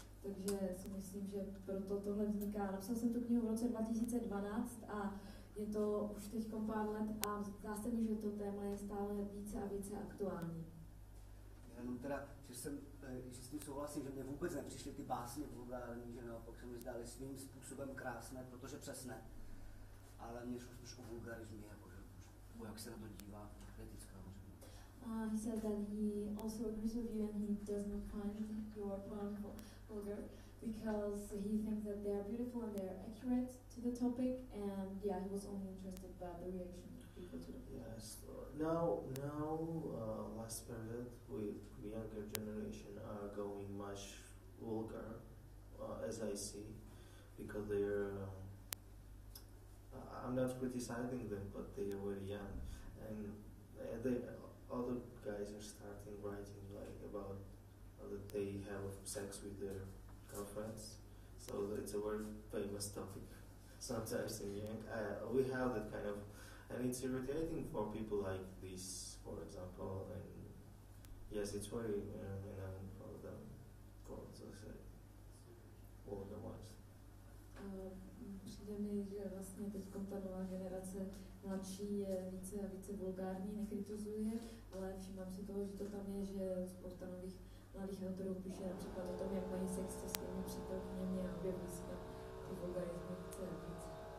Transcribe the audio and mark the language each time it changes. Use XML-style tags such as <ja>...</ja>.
<cs>Takže si myslím, že proto tohle vzniká. Napsal jsem tu knihu v roce 2012 a je to už teď pár let a zdá se mi, že to téma je stále více a více aktuální. Jenom teda, že s tím souhlasím, že mě vůbec nepřišly ty básně vulgární, že naopak se mi zdály svým způsobem krásné, protože přesné. Ale mě šlo spíš o vulgarizmy, jak se na to dívá kritická.</cs> <en>He said that he also agrees with you and he does not find your poem vulgar because he thinks that they are beautiful and they are accurate to the topic, and yeah, he was only interested by the reaction of people to the poem. Yes. Now, last period, with the younger generation are going much vulgar, as I see, because they are, I'm not criticizing them, but they are very young, and they other guys are starting writing like about that they have sex with their girlfriends, so it's a very famous topic sometimes in young. We have that kind of, and it's irritating for people like this, for example, and yes, it's very annoying for them, for the sake of the ones.</en> <cs>Přijde mi, že vlastně teď ta nová generace mladší je více a více vulgární, nekritizuje, ale všímám si toho, že to tam je, že spousta nových mladých autorů píše například o tom, jak mají sex se svými přítelkyněmi a objeví se tam ty vulgarizmy více a více.</cs>